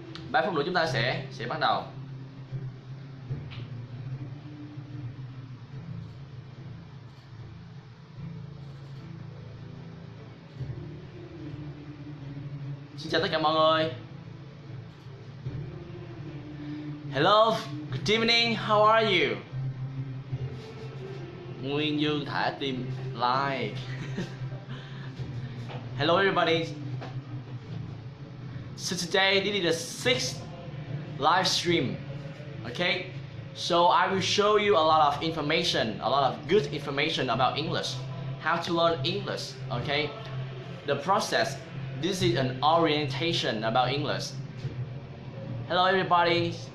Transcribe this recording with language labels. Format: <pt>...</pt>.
<vi>3 phút nữa chúng ta sẽ bắt đầu. Xin chào tất cả mọi người.</vi> <en>Hello, good evening, how are you?</en> <vi>Nguyên Dương thả tim like.</vi> <en>Hello everybody. So today this is the 6th live stream. Okay, so I will show you a lot of information, a lot of good information about English, how to learn English. Okay, the process. This is an orientation about English. Hello everybody.</en>